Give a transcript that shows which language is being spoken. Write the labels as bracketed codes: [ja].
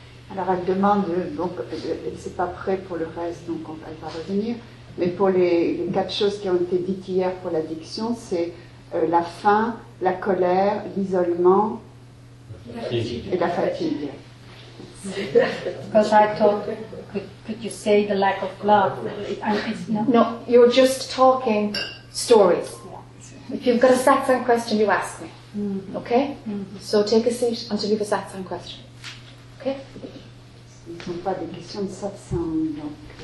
[fr] Alors elle demande, donc c'est pas prêt pour le reste, donc elle va revenir. Mais pour les quatre choses qui ont été dites hier pour l'addiction, c'est la faim, la colère, l'isolement et la fatigue. [en] Because I thought, could you say the lack of love? No, you're just talking stories. If you've got a satsang question, you ask me. Okay? So take a seat until you have a satsang question. Okay? [fr] Ils n'ont pas des questions de satsang, donc...